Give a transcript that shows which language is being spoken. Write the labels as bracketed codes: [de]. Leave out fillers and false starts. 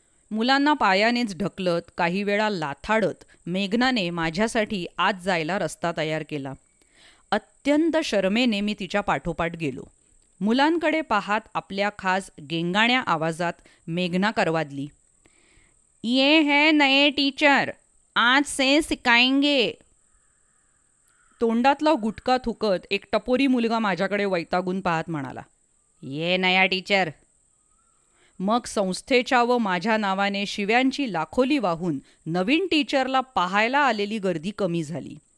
[mr] मुलांना पायानेच ढकलत, काही वेळा लाथाडत मेघनाने माझ्यासाठी आत जायला रस्ता तयार केला. अत्यंत शर्मेने मी तिच्या पाठोपाठ गेलो. मुलांकडे पाहात आपल्या खास गेंगाण्या आवाजात मेघना करवाडली, [hi] ये है नए टीचर, आज से सिकायंगे. [mr] तोंडातला गुटखा थुकत एक टपोरी मुलगा माझ्याकडे वैतागून पाहत म्हणाला, [hi] ये नया टीचर. [mr] मग संस्थेच्या व माझ्या नावाने शिव्यांची लाखोली वाहून नवीन टीचरला पाहायला आलेली गर्दी कमी झाली.